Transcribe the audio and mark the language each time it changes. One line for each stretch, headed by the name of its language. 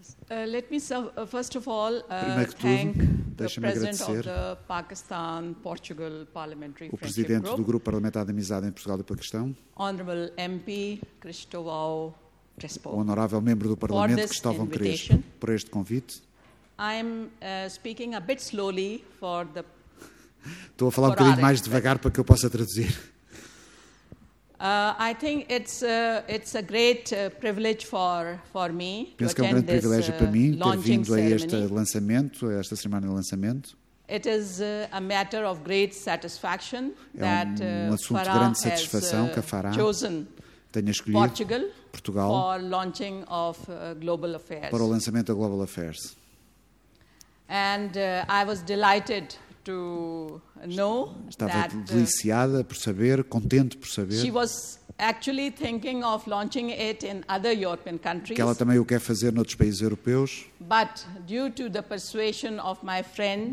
English: Let me first of all thank the president of the Pakistan-Portugal Parliamentary
Portuguese: o presidente do grupo parlamentar de amizade entre Portugal e Paquistão,
English: Honorable MP Cristóvão Crespo,
Portuguese: o honorável membro do Parlamento Cristóvão Crespo, por este convite.
English: I'm speaking a bit slowly for the.
Portuguese: Estou a falar um bocadinho mais devagar para que eu possa traduzir.
English: I think it's a great privilege for me.
Portuguese: Penso que é um grande privilégio para mim ter vindo a este lançamento, a esta cerimónia de lançamento.
English: It is a matter of great satisfaction that
Portuguese: um assunto de grande satisfação que a Farah tenha escolhido Portugal
English: for launching of Global Affairs.
Portuguese: Para o lançamento da Global Affairs.
English: And I was delighted to know
Portuguese: estava
English: that
Portuguese: deliciada por saber, contente por saber.
English: She was actually thinking of launching it in other European countries.
Portuguese: Que ela também o quer fazer noutros países europeus.
English: But due to the persuasion of my friend,